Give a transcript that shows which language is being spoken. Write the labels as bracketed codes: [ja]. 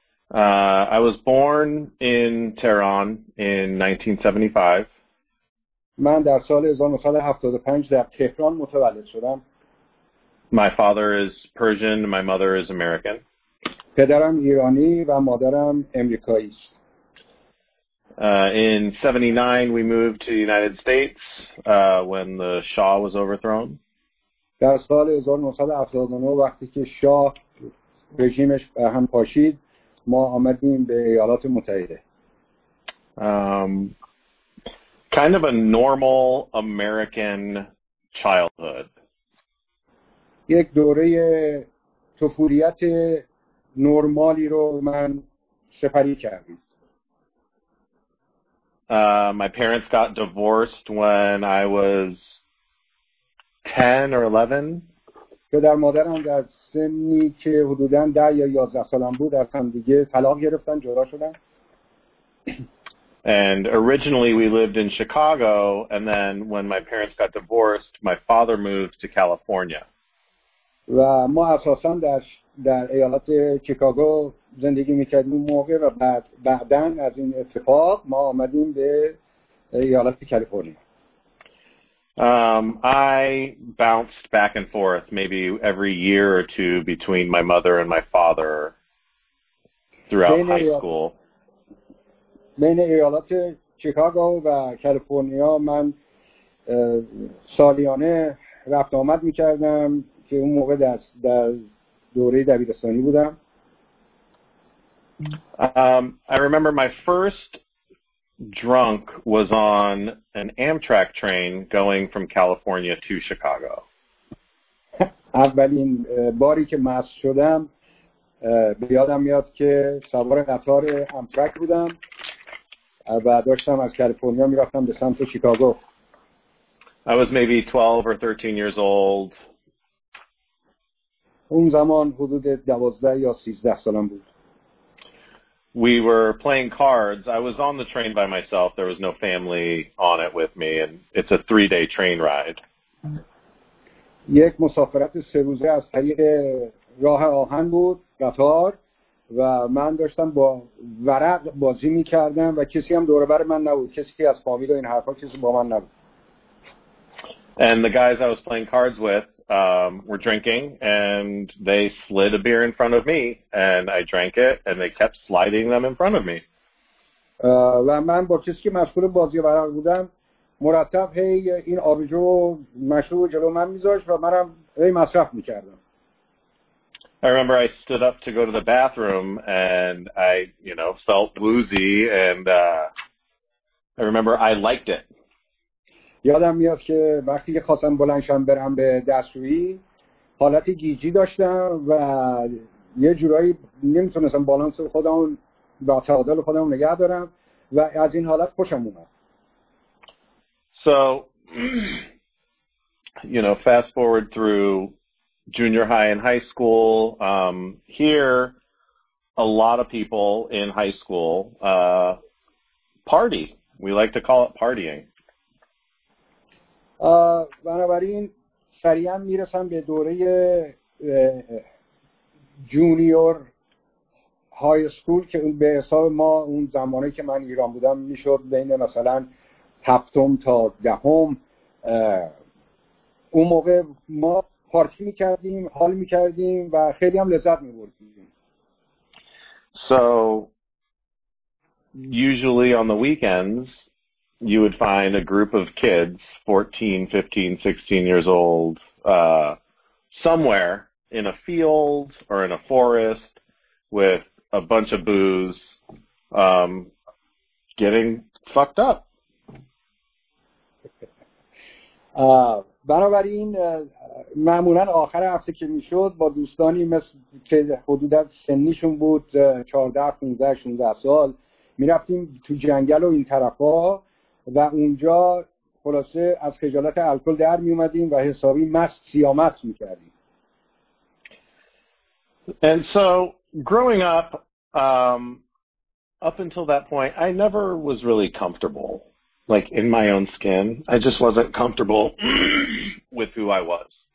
[en] I was born in Tehran in 1975. [fa] من در سال 1975 در تهران متولد شدم. [en] My father is Persian, my mother is American. [fa] پدرم ایرانی و مادرم امریکایی است. [en] In 79, we moved to the United States when the Shah was overthrown. [fa] در سال 1979 وقتی که شاه رژیمش هم پاشید، ما آمدیم به ایالات متحده. [en] Kind of a normal American childhood. [fa] یک دوره طفولیت نرمالی رو من سپری کردم. [en] My parents got divorced when I was 10 or 11. [fa] پدر مادرم در سنی که حدوداً 10 یا 11 سالم بود از هم دیگه طلاق گرفتن، جدا شدن. [en] And originally we lived in Chicago, and then when my parents got divorced, my father moved to California. [fa] و ما اساساً در ایالت شیکاگو زندگی میکردیم اون موقع و بعداً از این اتفاق ما آمدیم به ایالت کالیفرنیا. [en] I bounced back and forth, maybe every year or two, between my mother and my father throughout high school. [fa] بین ایالات شیکاگو و کالیفرنیا من سالیانه رفت آمد میکردم که اون موقع در دوره دبیرستانی بودم. [en] I remember my first drunk was on an Amtrak train going from California to Chicago. [fa] اولین باری که مست شدم به یادم میاد که سوار قطار امتراک بودم و داشتم از کالیفرنیا میرفتم به سمت شیکاگو. [en] I was maybe 12 or 13 years old. [fa] اون زمان حدود 12 یا 13 سالم بود. [en] We were playing cards. I was on the train by myself. There was no family on it with me, and it's a 3-day train ride. [fa] یک مسافرت 3 روزه از طریق راه آهن بود، قطار، و من داشتم با ورق بازی می‌کردم و کسی هم دور و بر من نبود. کسی که از فامیل و این حرفا کسی با من نبود. [en] And the guys I was playing cards with were drinking, and they slid a beer in front of me, and I drank it, and they kept sliding them in front of me. [fa] و من با کسی که مشغول بازی ورق بودم مرتب هی این آبجو مشروب جلو من میذاشت و منم هی مصرف میکردم. [en] I remember I stood up to go to the bathroom, and I, you know, felt woozy, and I remember I liked it. [fa] یادم میاد که وقتی که خواستم بلنشم برم به دستشویی حالت گیجی داشتم و یه جورایی نمیتونستم بالانس خودم و تعادل خودم نگه دارم و از این حالت خوشم اومد. [en] So, you know, fast forward through junior high and high school. Here, a lot of people in high school party. We like to call it partying. [fa] بنابراین سریعا میرسم به دوره جونیور های اسکول که اون به حساب ما اون زمانی که من ایران بودم میشد بین مثلا هفتم تا دهم. اون موقع ما پارتی میکردیم، حال میکردیم و خیلی هم لذت میبردیم. [en] So usually on the weekends you would find a group of kids 14, 15, 16 years old somewhere in a field or in a forest with a bunch of booze getting fucked up. [fa] بنابراین معمولاً آخر هفته که می شد با دوستانی مثل که حدود سنیشون بود 14, 15, 16 سال می رفتیم تو جنگل و این طرف ها و اونجا خلاصه از خجالت الکل در می اومدیم و حسابی مست سیامت می کردیم. [en] And so growing up, up until that point, I never was really comfortable. Like in my own skin, I just wasn't comfortable with who I was.